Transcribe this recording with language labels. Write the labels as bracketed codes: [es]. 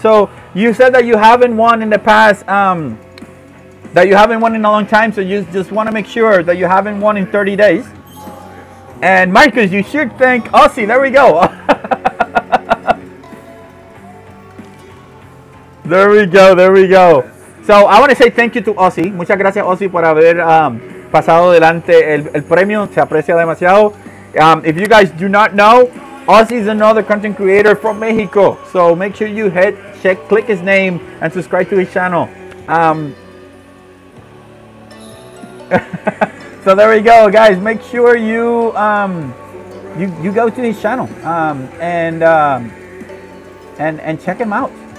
[en] So you said that you haven't won in the past, that you haven't won in a long time. So you just want to make sure that you haven't won in 30 days. And Marcus, you should thank Ozzy. There we go. There we go. So I want to say thank you to Ozzy. [es] Muchas gracias, Ozzy, por haber pasado adelante el premio. Se aprecia demasiado. [en] If you guys do not know, Ozzy is another content creator from Mexico. So make sure you click his name and subscribe to his channel. So there we go, guys. Make sure you go to his channel and check him out.